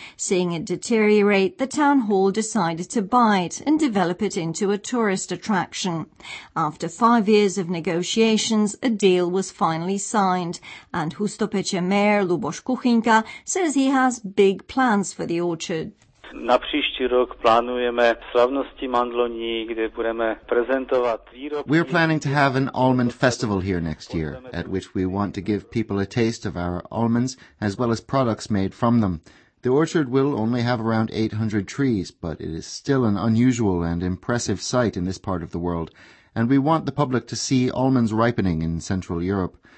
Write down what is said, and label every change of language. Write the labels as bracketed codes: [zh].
[en] Seeing it deteriorate, the town hall decided to buy it and develop it into a tourist attraction. After 5 years of negotiations, a deal was finally signed, and Hustopeche Mayor Luboš Kuchinka says he has big plans for the orchard. [cs] Na příští rok plánujeme slavnosti mandloní, kde budeme prezentovat výrobky. [en] We're planning to have an almond festival here next year, at which we want to give people a taste of our almonds as well as products made from them. The orchard will only have around 800 trees, but it is still an unusual and impressive sight in this part of the world, and we want the public to see almonds ripening in Central Europe.